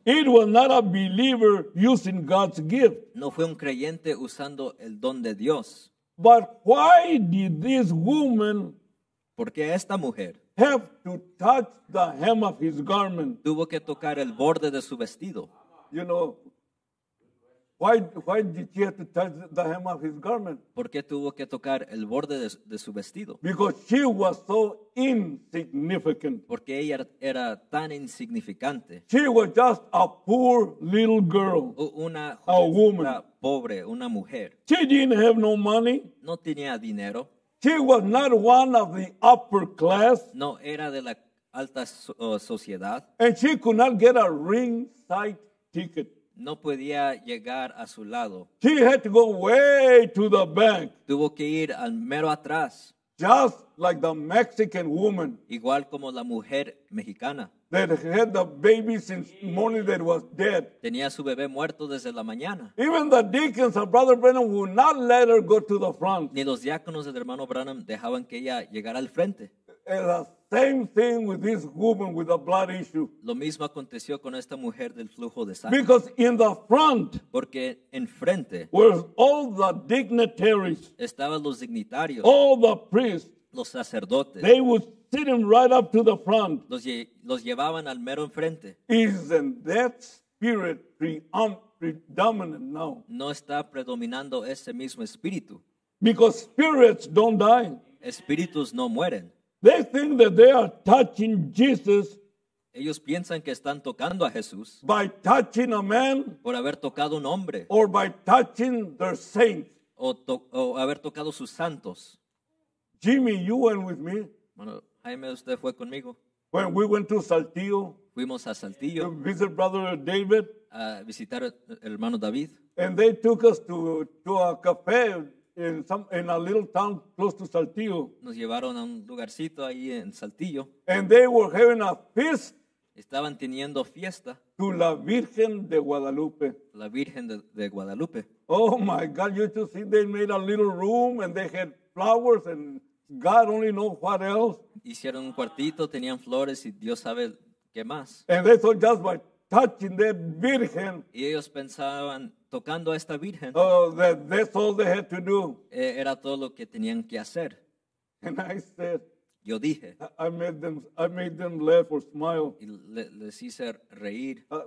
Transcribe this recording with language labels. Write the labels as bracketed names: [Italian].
[English] It was not a believer using God's gift. [Spanish] No fue un creyente usando el don de Dios. [English] But why did this woman, [Spanish] porque esta mujer, [English] have to touch the hem of his garment? [Spanish] Tuvo que tocar el borde de su vestido. [English] You know, Why did she have to touch the hem of his garment? [Spanish] ¿Por qué tuvo que tocar el borde de su vestido? [English] Because she was so insignificant. [Spanish] Porque ella era tan insignificante. [English] She was just a poor little girl. [Spanish] Una [English] a woman. [Spanish] Pobre, una mujer. [English] She didn't have no money. [Spanish] No tenía dinero. [English] She was not one of the upper class. [Spanish] No era de la alta sociedad. [English] And she could not get a ringside ticket. [Spanish] No podía llegar a su lado. [English] She had to go way to the back. [Spanish] Tuvo que ir al mero atrás. [English] Just like the Mexican woman. [Spanish] Igual como la mujer mexicana. [English] That had the baby since morning that was dead. [Spanish] Tenía su bebé muerto desde la mañana. [English] Even the deacons of Brother Branham would not let her go to the front. [Spanish] Ni los diáconos del hermano Branham dejaban que ella llegara al frente. [English] Same thing with this woman with a blood issue. [Spanish] Lo mismo aconteció con esta mujer del flujo de sangre. [English] Because in the front, [Spanish] porque enfrente, [English] were all the dignitaries, [Spanish] estaban los dignitarios, [English] all the priests, [Spanish] los sacerdotes. [English] They would sit him right up to the front. [Spanish] Los llevaban al mero enfrente. [English] Isn't that spirit predominant now? [Spanish] No está predominando ese mismo espíritu. [English] Because spirits don't die. [Spanish] Espíritus no mueren. [English] They think that they are touching Jesus. [Spanish] Ellos piensan que están tocando a Jesús. [English] By touching a man. [Spanish] Por haber tocado un hombre. [English] Or by touching their saint. [Spanish] O haber tocado sus santos. [English] Jimmy, you went with me. [Spanish] Bueno, Jaime, usted fue conmigo. [English] When we went to Saltillo. [Spanish] Fuimos a Saltillo. [English] To visit brother David. [Spanish] A visitar hermano David. [English] And they took us to a cafe in a little town close to Saltillo. [Spanish] Nos llevaron a un lugarcito ahí en Saltillo. [English] And they were having a feast. [Spanish] Estaban teniendo fiesta. [English] To la Virgen de Guadalupe. [Spanish] La Virgen de Guadalupe. [English] Oh my God, you should see, they made a little room and they had flowers and God only knows what else. [Spanish] Hicieron un cuartito, tenían flores y Dios sabe qué más. [English] And they thought just by touching that Virgen. [Spanish] Y ellos pensaban tocando a esta Virgen. [English] Oh, that's all they had to do. [Spanish] Era todo lo que tenían que hacer. [English] And I said, [Spanish] yo dije, [English] I made them laugh or smile. [Spanish] Y les hice reír.